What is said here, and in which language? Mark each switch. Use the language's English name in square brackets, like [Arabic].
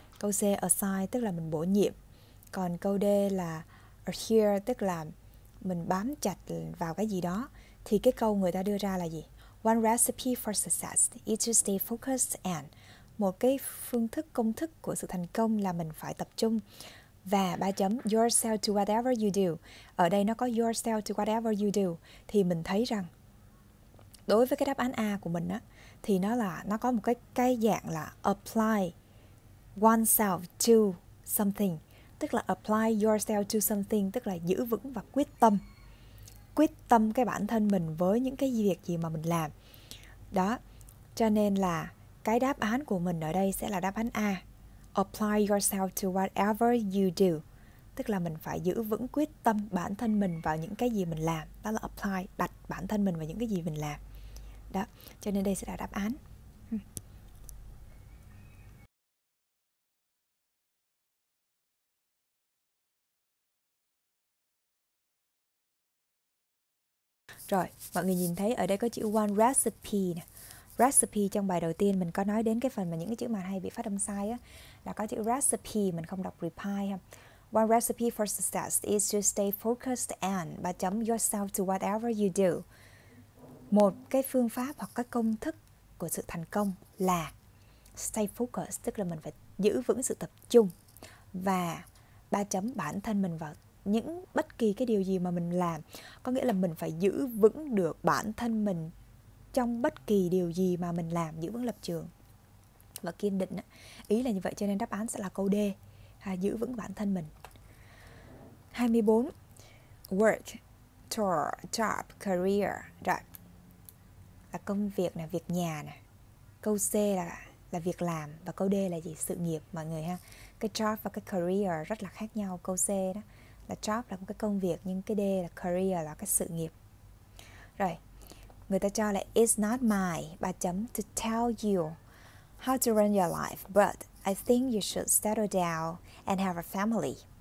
[Vietnamese] Câu C, assign tức là mình bổ nhiệm. Còn câu D là adhere tức là mình bám chặt vào cái gì đó. Thì cái câu người ta đưa ra là gì? [English] One recipe for success is to stay focused and. [Vietnamese] Một cái phương thức, công thức của sự thành công là mình phải tập trung. Và ba chấm, [English] yourself to whatever you do. [Vietnamese] Ở đây nó có [English] yourself to whatever you do. [Vietnamese] Thì mình thấy rằng đối với cái đáp án A của mình á, thì nó là nó có một cái dạng là [English] apply oneself to something. [Vietnamese] Tức là [English] apply yourself to something, [Vietnamese] tức là giữ vững và quyết tâm. Quyết tâm cái bản thân mình với những cái việc gì mà mình làm. Đó, cho nên là cái đáp án của mình ở đây sẽ là đáp án A. [English] Apply yourself to whatever you do. [Vietnamese] Tức là mình phải giữ vững quyết tâm bản thân mình vào những cái gì mình làm. Đó là apply, đặt bản thân mình vào những cái gì mình làm. Đó, cho nên đây sẽ là đáp án. Rồi, mọi người nhìn thấy ở đây có chữ one recipe nè. Recipe trong bài đầu tiên mình có nói đến cái phần mà những cái chữ mà hay bị phát âm sai á, là có chữ recipe, mình không đọc reply ha. [English] One recipe for success is to stay focused and [Vietnamese] ba chấm [English] yourself to whatever you do. [Vietnamese] Một cái phương pháp hoặc cái công thức của sự thành công là [English] stay focused, [Vietnamese] tức là mình phải giữ vững sự tập trung và ba chấm bản thân mình vào những bất kỳ cái điều gì mà mình làm. Có nghĩa là mình phải giữ vững được bản thân mình trong bất kỳ điều gì mà mình làm, giữ vững lập trường và kiên định. Ý là như vậy, cho nên đáp án sẽ là câu D, giữ vững bản thân mình. 24. Work, tour, job, career. Rồi, là công việc nè, việc nhà nè. Câu C là việc làm. Và câu D là gì? Sự nghiệp mọi người ha. Cái job và cái career rất là khác nhau. Câu C đó là job, là một cái công việc, nhưng cái D là career, là cái sự nghiệp. Rồi, người ta cho là [English] it's not my [Vietnamese] ba chấm [English] to tell you how to run your life, but I think you should settle down and have a family.